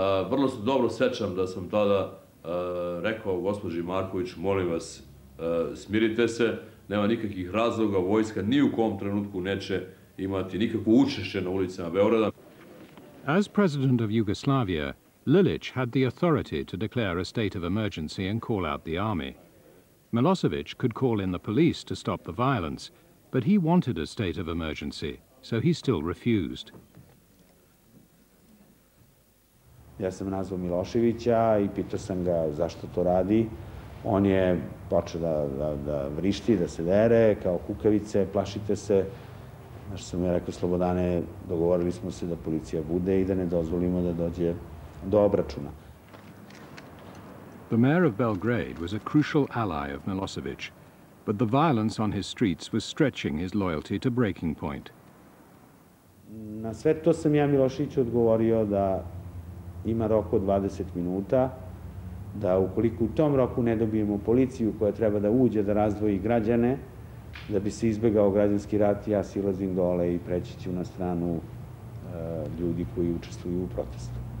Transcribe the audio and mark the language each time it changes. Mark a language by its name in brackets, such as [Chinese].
[Serbian] Vrlo se dobro sećam da sam tada rekao gospođi Marković: molim vas, smirite se, nema nikakvih razloga, vojska ni u kom trenutku neće imati nikakvo učešće na ulicama Beograda. [English] As president of Yugoslavia, Lilić had the authority to declare a state of emergency and call out the army. Milosevic could call in the police to stop the violence, but he wanted a state of emergency, so he still refused. [Serbian] Ja sam nazvao Miloševića i pitao sam ga zašto to radi. On je počeo da vrišti, da se dere kao kukavice, plašite se. Znaš, sam ja rekao: Slobodane, dogovorili smo se da policija bude i da ne dozvolimo da dođe do obračuna. [English] The mayor of Belgrade was a crucial ally of Milosevic, but the violence on his streets was stretching his loyalty to breaking point. [Serbian] Na sve to sam ja Miloševiću odgovorio da ima rok od 20 minuta, da ukoliko u tom roku ne dobijemo policiju koja treba da uđe da razdvoji građane, da bi se izbegao građanski rat, ja silazim dole i preći ću na stranu ljudi koji učestvuju u protestu.